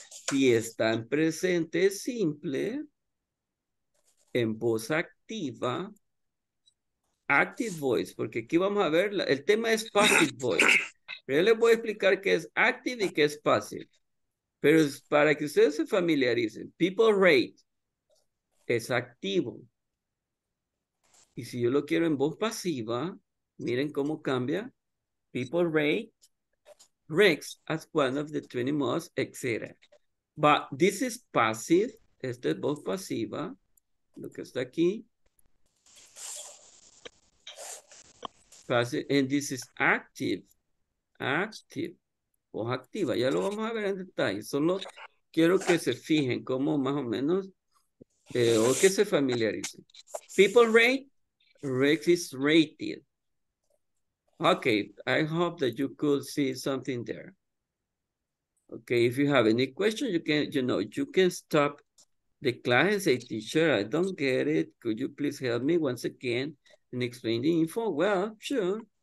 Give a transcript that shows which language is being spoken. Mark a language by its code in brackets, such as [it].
[es] Si está en presente simple, en voz activa, [en] active voice, [es] porque aquí vamos a ver, el tema es passive voice. Pero yo les voy a explicar qué es active y qué es passive. Pero es para que ustedes se familiaricen, [en] people rate [es] es activo. Y si yo lo quiero en voz pasiva, miren cómo cambia. [en] People rate Rex as one of the 20 most, etc. But this is passive, [es] esto es voz pasiva, lo que está aquí. [en] And this is active, [es] voz activa. Ya lo vamos a ver en detalle. Solo quiero que se fijen cómo más o menos, o que se familiaricen. [en] People rate, Rex is rated. Okay, I hope that you could see something there. Okay, if you have any question, you can stop the class and say, teacher, I don't get it. Could you please help me once again? And explain the info. Well, sure.